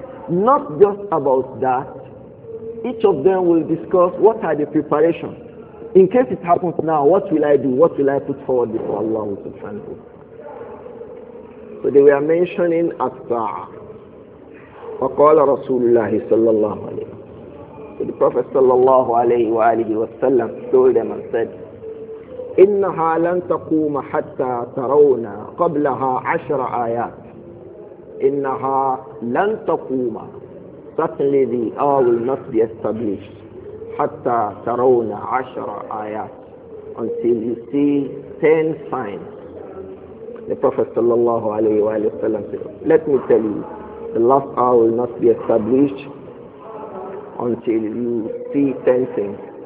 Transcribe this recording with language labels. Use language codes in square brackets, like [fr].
[en] Not just about that, each of them will discuss what are the preparations. In case it happens now, what will I do? What will I put forward before Allah subhanahu? So they were mentioning as-sa'a. [ar] فَقَالَ رَسُولُ اللَّهِ صَلَّى اللَّهُ عَلَيْهِ. [en] So the Prophet [ar] صلى الله عليه وآله وسلم [en] told them and said, [ar] إِنَّهَا لَن تَقُومَ حَتَّى تَرَوْنَا قَبْلَهَا عَشْرَ آيَاتٍ. إِنَّهَا لَنْ تَقُومَ [en] Certainly the hour will not be established [ar] حَتَّى تَرَوْنَ عَشَرَ آيَاتٍ [en] Until you see 10 signs. The Prophet sallallahu alayhi wa sallam said, let me tell you, the last hour will not be established until you see 10 things.